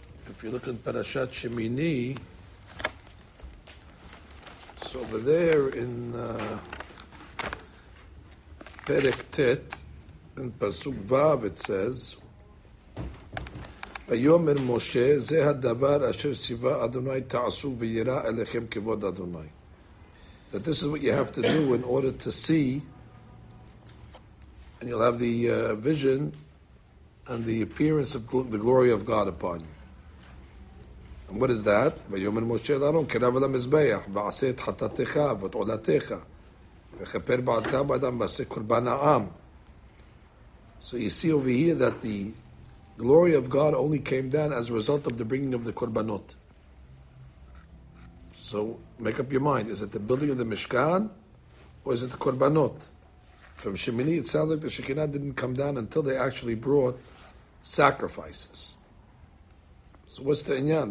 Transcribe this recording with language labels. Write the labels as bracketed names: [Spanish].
[English] If you look in Parashat Shemini, it's over there in Perek Tet, in Pasuk Vav it says, [Hebrew] ויאמר משה, זה הדבר אשר ציווה אדוני תעשו וירא אליכם כבוד אדוני. [English] That this is what you have to do in order to see, and you'll have the vision and the appearance of the glory of God upon you. And what is that? [Hebrew] ויאמר משה לארון, קרב על המזבח, ועשה את חטאתך ואת עולתך, וכפר בעדך ובעדם, ועשה קורבן העם. [English] So you see over here that the glory of God only came down as a result of the bringing of the Korbanot. So make up your mind. Is it the building of the Mishkan or is it the Korbanot? From Shemini, it sounds like the Shekhinah didn't come down until they actually brought sacrifices. So what's the inyan?